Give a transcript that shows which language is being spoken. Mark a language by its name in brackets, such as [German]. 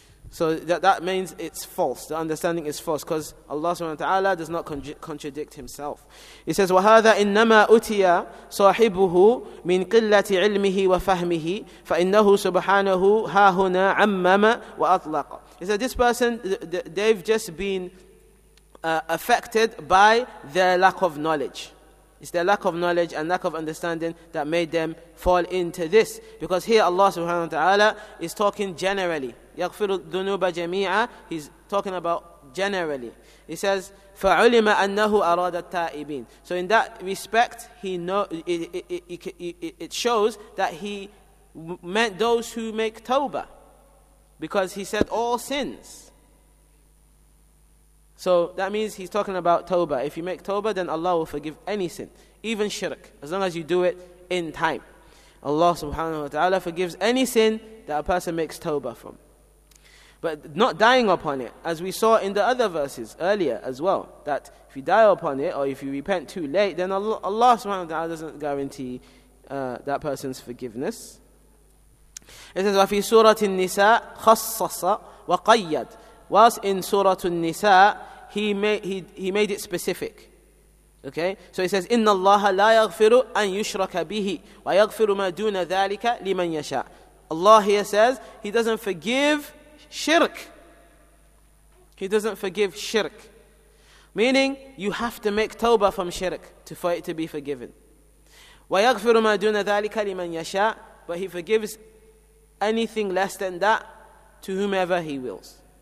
[English] So that means it's false. The understanding is false because Allah subhanahu wa ta'ala does not contradict himself. He says, [Arabic] وَهَذَا إِنَّمَا أُتِيَ صَاحِبُهُ مِنْ قِلَّةِ عِلْمِهِ وَفَهْمِهِ فَإِنَّهُ سُبْحَانَهُ هَا هُنَا عَمَّمَ وَأَطْلَقَ. [English] He said, this person, they've just been affected by their lack of knowledge. It's their lack of knowledge and lack of understanding that made them fall into this. Because here Allah subhanahu wa ta'ala is talking generally. [Arabic] يَغْفِرُ الذُّنُوبَ جَمِيعًا. [English] He's talking about generally. He says, [Arabic] فَعُلِمَ أَنَّهُ أَرَادَ التَّائِبِينَ. [English] So in that respect, it shows that he meant those who make tawbah. Because he said all sins. So that means he's talking about tawbah. If you make tawbah, then Allah will forgive any sin, even shirk, as long as you do it in time. Allah subhanahu wa ta'ala forgives any sin that a person makes tawbah from. But not dying upon it, as we saw in the other verses earlier as well, that if you die upon it or if you repent too late, then Allah subhanahu wa ta'ala doesn't guarantee that person's forgiveness. It says, [Arabic] وَفِي سُورَةِ النِّسَاءِ خَصَّصَ وَقَيَّدْ. [English] Whilst in Surah An-Nisa, he made it specific. Okay? So he says, [Arabic] إِنَّ اللَّهَ لَا يَغْفِرُ أَن يُشْرَكَ بِهِ وَيَغْفِرُ مَا دُونَ ذَلِكَ لِمَن يَشَاءُ. [English] Allah here says, he doesn't forgive shirk. He doesn't forgive shirk. Meaning, you have to make tawbah from shirk for it to be forgiven. [Arabic] وَيَغْفِرُ مَا دُونَ ذَٰلِكَ لِمَنْ يَشَاءُ. [English] But he forgives anything less than that to whomever he wills.